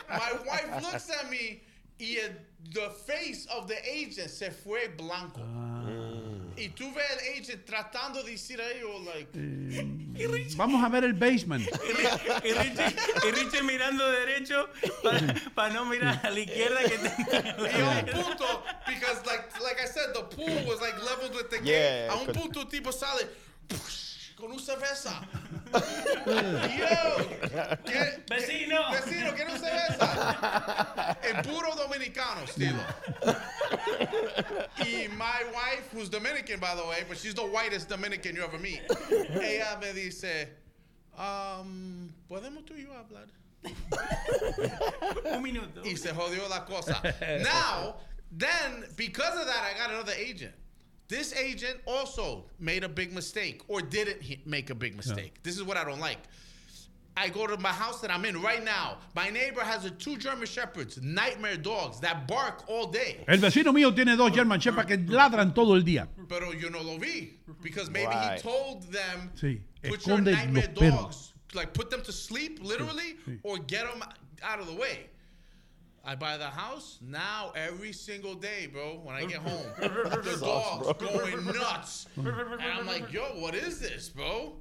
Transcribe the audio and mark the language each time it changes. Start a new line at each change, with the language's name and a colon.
English: My wife looks at me
Spanish: y
English: the face of the agent
Spanish: se fue blanco. Y tú ves al agent tratando de decir a ellos,
English: like...
Spanish: vamos a ver el basement. Y Richie mirando derecho para no mirar a la izquierda que tenía. Y a un punto,
English: because like I said, the pool was like leveled with the game.
Spanish: A un punto el tipo sale... con una cerveza. Yo, vecino, ¿quiere una cerveza? El puro dominicano, estilo. Y
English: my wife, who's Dominican, by the way, but she's the whitest Dominican you ever meet,
Spanish: ella me dice, ¿podemos tú y yo hablar? Un minuto. Y se jodió la cosa.
English: Now, then, because of that, I got another agent. This agent also made a big mistake or didn't make a big mistake. No. This is what I don't like. I go to my house that I'm in right now. My neighbor has 2 German Shepherds, nightmare dogs, that bark all day.
Spanish: El vecino mío tiene 2 German Shepherds que ladran todo el día. Pero yo no lo vi.
English: Because maybe he told them,
Spanish: sí,
English: put your nightmare dogs, like put them to sleep, literally,
Spanish: sí, sí,
English: or get them out of the way. I buy the house now every single day, bro, when I get home. The dog's going nuts. And I'm like, yo, what is this, bro?